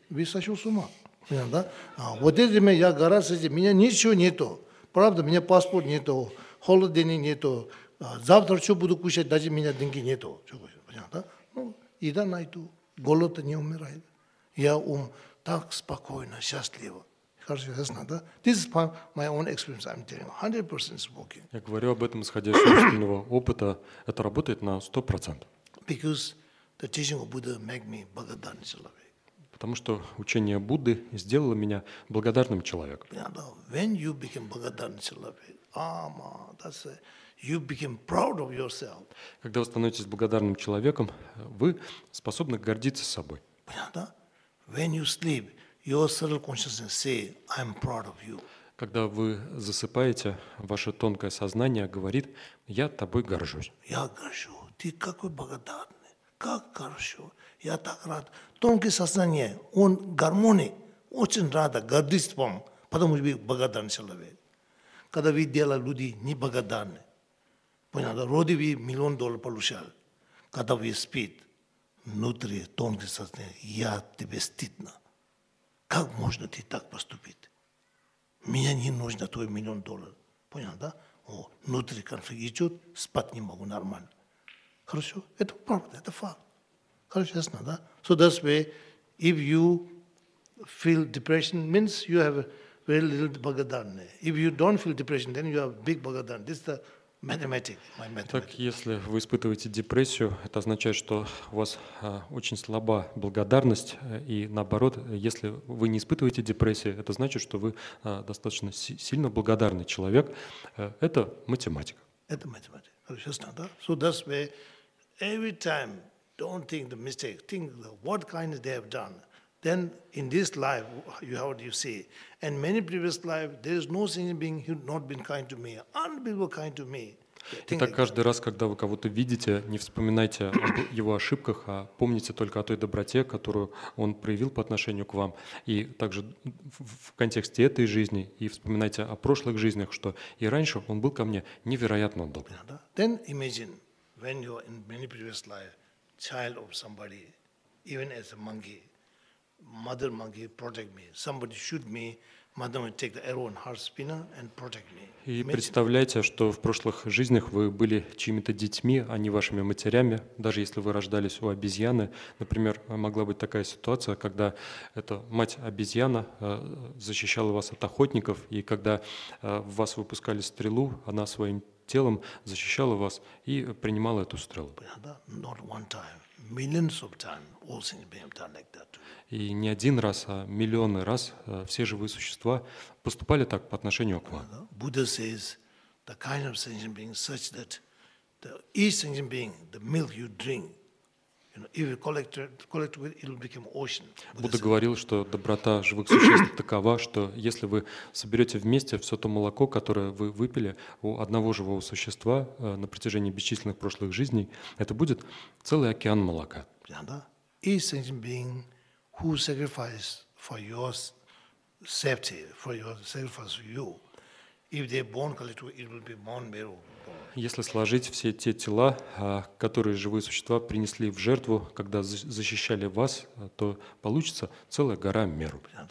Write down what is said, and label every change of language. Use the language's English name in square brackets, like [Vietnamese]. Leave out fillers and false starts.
[Russian] Вы сошел с ума, понял, да? Вот это я гора сойти, у меня ничего нету. Правда, у меня паспорт нету, холодильник нету, завтра что буду кушать, даже у меня деньги нету. Понятно, да? Ну, еда найду, голод не умирает. Я так спокойно, счастливо. Хорошо, ясно, да? [English] This is my own experience, I'm telling you. 100% is working. [Russian] Я говорю об этом, исходя из собственного опыта, это работает на 100%. [English] Because the teaching of Buddha make me [Russian] благодарен человек. Потому что учение Будды сделало меня благодарным человеком. Понятно. [English] When you became [Russian] благодарный человек, [English] that's it. You became proud of yourself. [Russian] Когда вы становитесь благодарным человеком, вы способны гордиться собой. Понятно. [English] When you sleep, your subtle consciousness say, I'm proud of you. [Russian] Когда вы засыпаете, ваше тонкое сознание говорит, я тобой горжусь. Я горжусь. Ты какой благодарный. Как хорошо. Я так рад. Тонкое сознание, он гармонии, очень рада, гордится вам, потому что вы благодарны человек. Когда вы делали люди неблагодарны, понятно, вроде вы миллион долларов получали. Когда вы спите, внутри тонкое сознание, я тебе стыдно. Как можно ты так поступить? Мне не нужно твой миллион долларов. Понятно, да? Внутри конфликт идет, спать не могу нормально. Хорошо? Это правда, это факт. Хорошо, ясно, да? [English] So that's why if you feel depression means you have very little bhagadana. If you don't feel depression, then you have big bhagadana. This is the mathematic, my mathematic. [Russian] Так, если вы испытываете депрессию, это означает, что у вас очень слаба благодарность, и наоборот, если вы не испытываете депрессии, это значит, что вы достаточно сильно благодарный человек. Это математика. Это математика. [English] So that's why every time don't think the mistake, think the what kindness they have done. Then in this life, how do you see? And many previous life, there is no single being who not been kind to me. Unbelievable kind to me. [Russian] Итак, каждый раз, когда вы кого-то видите, не вспоминайте об его ошибках, а помните только о той доброте, которую он проявил по отношению к вам. И также в контексте этой жизни, и вспоминайте о прошлых жизнях, что и раньше он был ко мне невероятно добр. [English] Then imagine, when you are in many previous life, child of somebody, even as a monkey, mother monkey protect me, somebody shoot me, mother will take the arrow and heart spinner and protect me. [Russian] И представляете, что в прошлых жизнях вы были чьими-то детьми, а не вашими матерями, даже если вы рождались у обезьяны. Например, могла быть такая ситуация, когда эта мать-обезьяна защищала вас от охотников, и когда в вас выпускали стрелу, она своим телом защищала вас и принимала эту стрелу. [English] Not one time. Millions of times, all things being done like that. [Russian] И не один раз, а миллионы раз все живые существа поступали так по отношению к вам. [English] Buddha says the kind of sentient being such that the each sentient being, the milk you drink, you know, if you collect it, it will become ocean. [Russian] Будда говорил, что доброта живых существ такова, что если вы соберете вместе все то молоко, которое вы выпили у одного живого существа на протяжении бесчисленных прошлых жизней, это будет целый океан молока. [English] Each sentient being who sacrificed for your safety, for your sacrifice for you, if they born collectively, it will be Mount Meru. [Russian] Если сложить все те тела, которые живые существа принесли в жертву, когда защищали вас, то получится целая гора Меру.